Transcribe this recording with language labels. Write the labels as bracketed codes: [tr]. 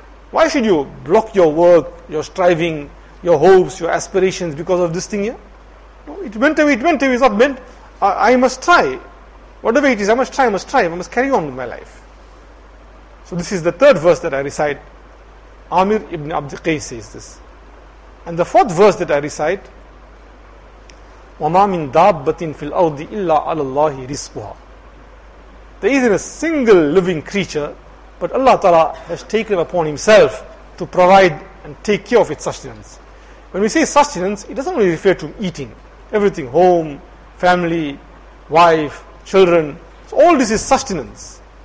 [en] Why should you block your work, your striving, your hopes, your aspirations because of this thing here? No, it went away, it's not meant. I must try. Whatever it is, I must try, I must carry on with my life. So this is the third verse that I recite. Amir ibn Abd Qais says this. And the fourth verse that I recite, [ar] وَمَا مِنْ دَابَّةٍ فِي الْأَرْضِ إِلَّا عَلَى اللَّهِ رِزْقُهَا. [en] There isn't a single living creature, but Allah Ta'ala has taken upon Himself to provide and take care of its sustenance. When we say sustenance, it doesn't only really refer to eating. Everything, home, family, wife, children, so all this is sustenance.